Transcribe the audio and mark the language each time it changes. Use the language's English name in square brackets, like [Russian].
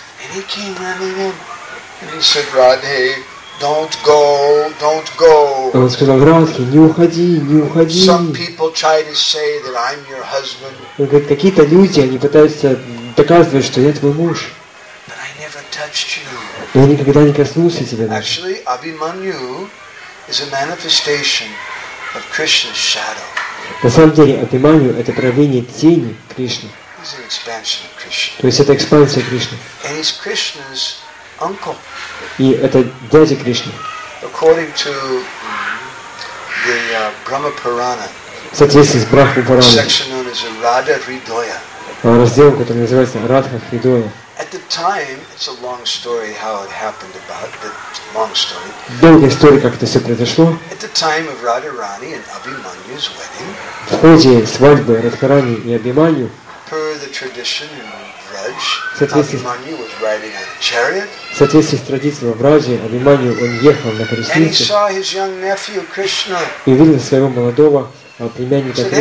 [English] And he came running in and he said, "Radhe, don't go, don't go." [Russian] Он сказал, Радхе, не уходи, не уходи. [English] Some people try to say that I'm your husband. [Russian] Он говорит, какие-то люди, они пытаются доказывать, что я твой муж. [English] But I never touched you. [Russian] Я никогда не коснулся тебя. [English] Actually, Abhimanyu is a manifestation of Krishna's shadow. [Russian] На самом деле, Абхиманью это проявление тени Кришны. [English] He's an expansion of Krishna. [Russian] То есть это экспансия Кришны. [English] And he's Krishna's uncle. [Russian] И это дядя Кришны. [English] According to the Brahma Purana. [Russian] В соответствии с Брахма Пураной. [English] Section known as Radha Hridaya. [Russian] Раздел, который называется Радха Хридоя. [English] At the time, it's a long story how it happened about, but it's a long story. [Russian] Долгая история, как это все произошло. [English] At the time of Radharani and Abhimanyu's wedding. [Russian] В ходе свадьбы Радхарани и Абхиманью. [English] Per the tradition in Braj, Abhimanyu was riding on a chariot. [Russian] В соответствии с традицией в Браже, Абхиманью он ехал на колеснице. [English] And he saw his young nephew Krishna. [Russian] И видел своего молодого племянника Кришну.